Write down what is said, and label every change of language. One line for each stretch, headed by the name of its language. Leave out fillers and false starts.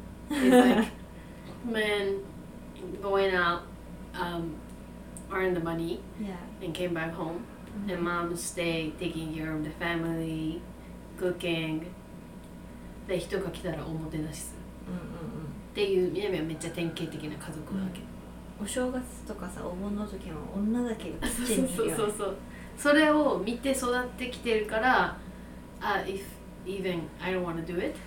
English: It's like men going out,、earn the money,、 yeah. and came back home,、 mm-hmm. and mom stay taking care of the family, cooking.
Japanese: で人が来たらおもてなしする。っていう、みやみはめっちゃ典型的な家族なわけ。お正月とかさ、お盆の時は女だけがキッチンにいるよ。そうそうそう。それを見て育ってきてるから。
English: If even I don't want to do it,、